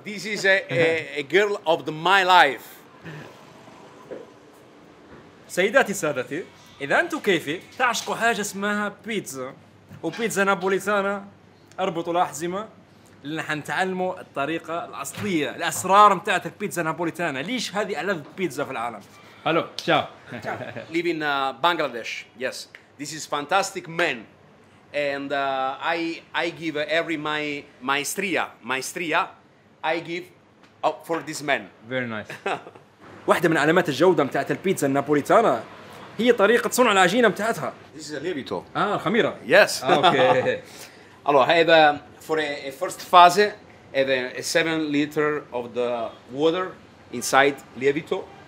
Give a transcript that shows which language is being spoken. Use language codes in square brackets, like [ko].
[en] This is a girl of the, my life. [ar] سيداتي سادتي إذا أنتوا كيفي تعشقوا حاجة اسمها بيتزا وبيتزا نابوليتانا اربطوا الأحزمة لان حنتعلموا الطريقة الأصلية الأسرار متاعت البيتزا نابوليتانا ليش هذه ألذ بيتزا في العالم. [en] Hello, ciao. Live in Bangladesh. Yes, this is fantastic man, and I give every my maestria I give up for this man. Very nice. [ar] واحدة من علامات الجودة متاعت البيتزا النابوليتانا هي طريقة صنع العجينة متاعتها. [en] This is a lievito. [ar] آه الخميرة. [en] Yes. Okay. Allora, have for a first phase, have a 7 liter of the water inside lievito.